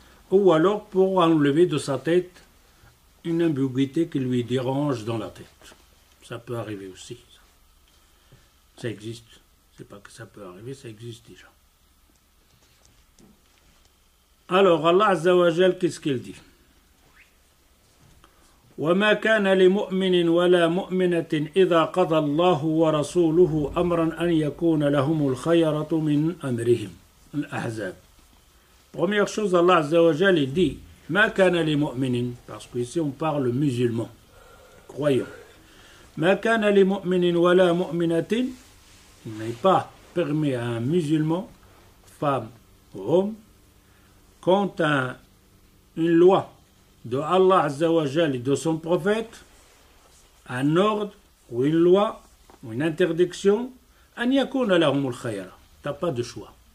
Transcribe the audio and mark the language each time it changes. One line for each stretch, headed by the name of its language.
French: Ou alors pour enlever de sa tête une ambiguïté qui lui dérange dans la tête. Ça peut arriver aussi. Ça existe. C'est pas que ça peut arriver, ça existe déjà. Alors, Allah Azza wa Jal, qu'est-ce qu'il dit?
Arabic: وما كان لمؤمن ولا مؤمنة إذا قضى الله ورسوله أمرا أن يكون لهم الخيرة من أمرهم الأحزاب.
French: Première chose, Allah Azza wa Jal dit,
Arabic: ما كان لمؤمن,
French: parce que ici on parle musulman, croyant.
Arabic: ما كان لمؤمن ولا مؤمنة,
French: il n'est pas permis à un musulman, femme, homme, quant à une loi de Allah Azzawajal et de son prophète, un ordre ou une loi ou une interdiction, tu n'as pas de choix.